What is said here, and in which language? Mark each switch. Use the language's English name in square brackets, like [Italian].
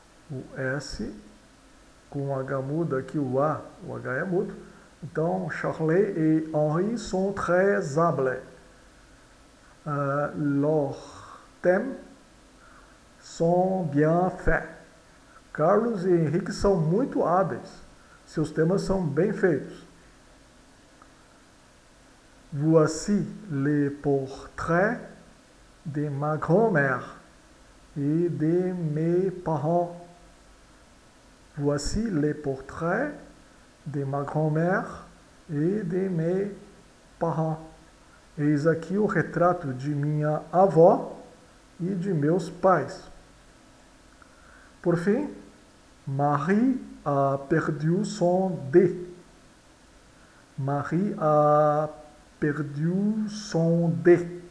[Portuguese] O S com H muda aqui, o H é mudo. [French] Então, Charlie et Henri sont très habiles. Leurs thèmes sont bien faits. [Portuguese] Carlos e Henrique são muito hábeis. Seus temas são bem feitos. [French] Voici le portrait de ma grand-mère et de mes parents. Voici le portrait de ma grand-mère et de mes parents. [Portuguese] Eis aqui o retrato de minha avó e de meus pais. Por fim, [French] Marie a perdu son dé. Marie a perdu son dé.